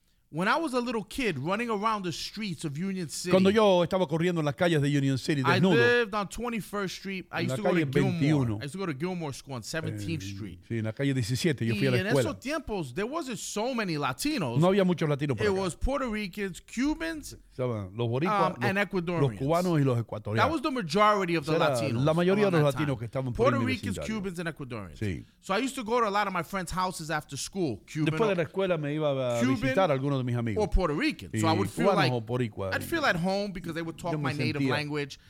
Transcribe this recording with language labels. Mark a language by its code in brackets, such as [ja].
[en] When I was a little kid running around the streets of Union City. [es] Cuando yo estaba corriendo en las calles de Union City, desnudo. [en] I lived on 21st Street. I used to go to Gilmore. 21. I used to go to Gilmore School on 17th Street. [es] Sí, en la calle 17, yo fui a la escuela. Y en esos tiempos, [en] there wasn't so many Latinos. [es] No había muchos latinos por [en] acá. It was Puerto Ricans, Cubans, [es] los boricuas, [en] and Ecuadorians. [es] Los cubanos y los ecuatorianos. [en] That was the majority of the Latinos. [es] La mayoría de los latinos que estaban [en] por Puerto Ricans, Cubans, and Ecuadorians. [es] Sí. [en] So I used to go to a lot of my friends' houses after school. Cuban, [es] después de la escuela me iba a visitar algunos de mis amigos. [en] Or Puerto Rican. So I would feel [es] cubanos, [en] like, [es] boricua, [en] I'd feel at home because they would talk my native language.